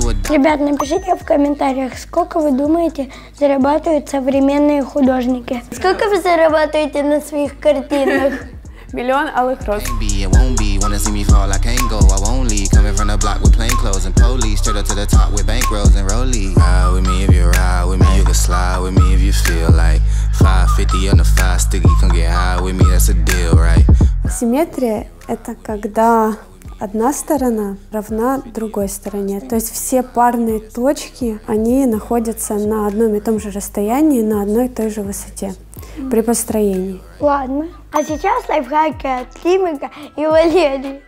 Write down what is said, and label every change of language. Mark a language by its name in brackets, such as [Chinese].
[Russian] Ребят, напишите в комментариях, сколько вы думаете зарабатывают современные художники? Сколько вы зарабатываете на своих картинах? Миллион алых роз. [English] Wanna see me fall, I can't go, I won't leave. Coming from the block with plain clothes and police. Straight up to the top with bankrolls and rollies. Ride with me if you ride with me, you can slide with me if you feel like 550 on the 5 sticky, come get high with me, that's a deal, right? [Russian] Симметрия – это когда одна сторона равна другой стороне. То есть все парные точки, они находятся на одном и том же расстоянии, на одной и той же высоте. При построении. Ладно. А сейчас лайфхаки от Тимика и Валерии.